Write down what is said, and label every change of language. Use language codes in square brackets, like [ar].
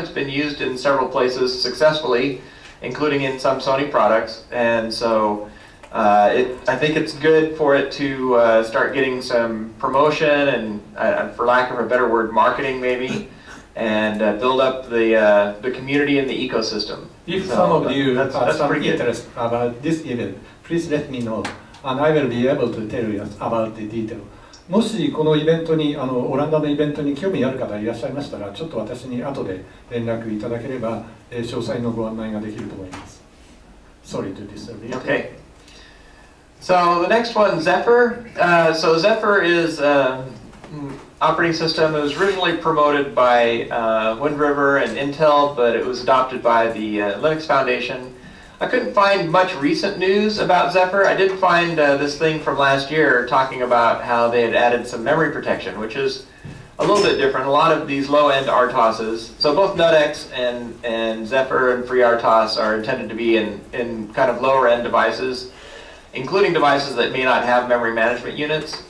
[en] It's been used in several places successfully, including in some Sony products, and so I think it's good for it to start getting some promotion and, for lack of a better word, marketing maybe, and build up the community and the ecosystem. If so, some of you have some interest about this event, please let me know, and I will be able to tell you about the detail. [ja] もしこのイベントに、オランダのイベントに興味ある方がいらっしゃいましたら、ちょっと私に後で連絡いただければ、詳細のご案内ができると思います。 [en] Sorry to disturb you. Okay. So the next one, Zephyr. So Zephyr is an operating system that was originally promoted by Wind River and Intel, but it was adopted by the Linux Foundation. I couldn't find much recent news about Zephyr. I did find this thing from last year talking about how they had added some memory protection, which is a little bit different. A lot of these low-end RTOSes, so both NetX and Zephyr and FreeRTOS are intended to be in kind of lower-end devices, including devices that may not have memory management units.